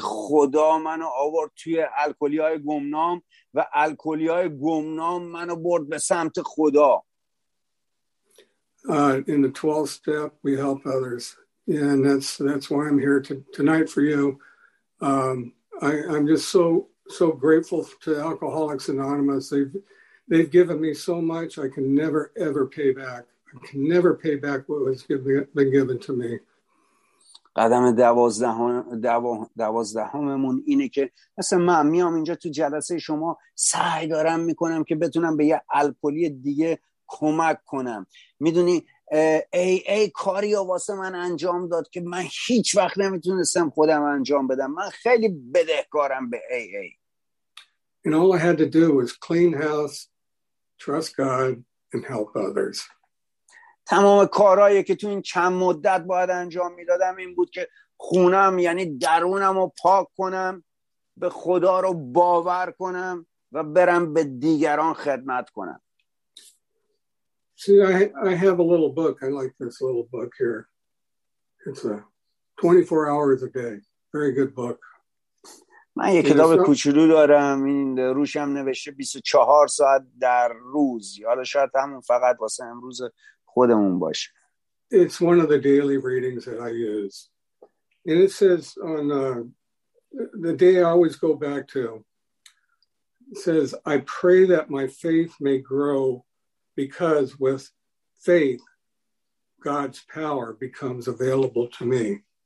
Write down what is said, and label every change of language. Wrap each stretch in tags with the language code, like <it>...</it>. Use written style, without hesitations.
<fa>خدا منو آورد توی الکلی‌های گمنام و الکلی‌های گمنام منو برد به سمت خدا.</fa> <en>In the 12th step, we help others. Yeah, and that's why I'm here tonight for you. I'm just so grateful to Alcoholics Anonymous. They've given me so much. I can never ever pay back. I can never pay back what was been given to me.</en> <fa>قدم دوازدهممون اینه که مثلا من میام اینجا تو جلسه شما سعی دارم میکنم که بتونم به یه الکلی دیگه کمک کنم. میدونی AA کاری رو واسه من انجام داد که من هیچ وقت نمیتونستم خودم انجام بدم. من خیلی بدهکارم به AA.</fa> <en>And all I had to do was clean house, trust God, and help others.</en> <fa>تمام کارهایی که تو این چند مدت باید انجام میدادم این بود که خونم یعنی درونم رو پاک کنم، به خدا رو باور کنم و برم به دیگران خدمت کنم.</fa> <en>See, I have a little book. I like this little book here. It's a 24 hours a day. Very good book.</en> <fa>من یه کتاب کوچولو دارم. این روش هم نوشته 24 ساعت در روز. حالا شاید همون فقط واسه امروز خودمون باشه.</fa> <en>It's one of the daily readings that I use. And it says on the day I always go back to, it says, I pray that my faith may grow because with faith God's power becomes available to me.</en>